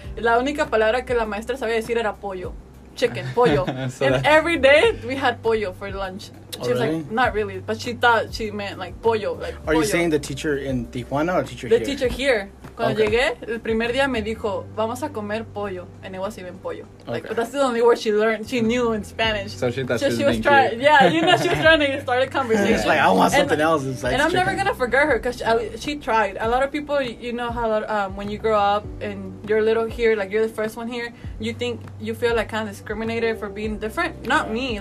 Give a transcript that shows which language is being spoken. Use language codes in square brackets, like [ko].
[es] La única palabra que la maestra sabía decir era pollo. [en] Chicken, pollo. So and every day, we had pollo for lunch. She was like, not really. But she thought she meant like pollo. Like Are [es] pollo. [en] You saying the teacher in Tijuana or teacher the here? The teacher here. [es] Cuando llegué, el primer día me dijo, vamos a comer pollo. [en] And it was even pollo. Like, but that's the only word she learned. She knew in Spanish. So she thought she was trying. Cute. Yeah, you know, she was trying to start a conversation. It's like, I want something else. It's like, and I'm never going to forget her because she tried. A lot of people, you know how when you grow up and you're little here, like you're the first one here, you think you feel like kind of discriminated for being different. Not me.